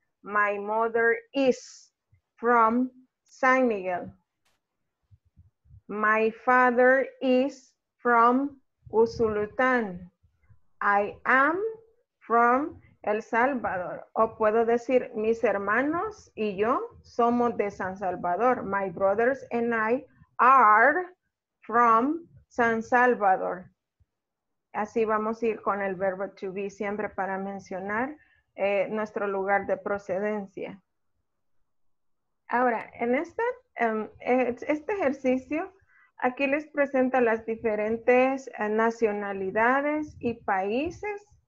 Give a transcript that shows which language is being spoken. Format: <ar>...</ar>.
<en>My mother is from San Miguel. My father is from Usulután. I am from El Salvador.</en> <es>O puedo decir, mis hermanos y yo somos de San Salvador.</es> <en>My brothers and I are from San Salvador.</en> <es>Así vamos a ir con el verbo to be siempre para mencionar nuestro lugar de procedencia. Ahora, en este ejercicio, aquí les presenta las diferentes nacionalidades y países.</es>